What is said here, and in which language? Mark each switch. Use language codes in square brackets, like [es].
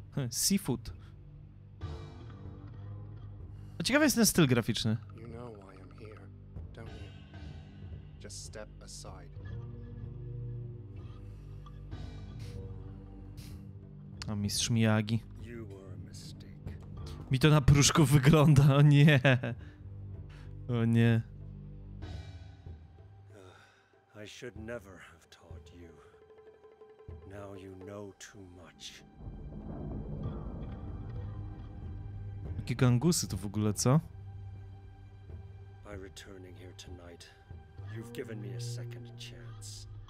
[en] Seafood. [pl] A ciekawy jest ten styl graficzny. [en] You know why I'm here, don't you? Just step aside. [pl] O, mistrz Miyagi. [en] You were a mistake. [pl] Mi to na pruszku wygląda, o nie. O nie. [en] I should never have taught you. Now you know too much. [pl] Jakie gangusy to w ogóle, co? [en] By returning here tonight, you've given me a second chance.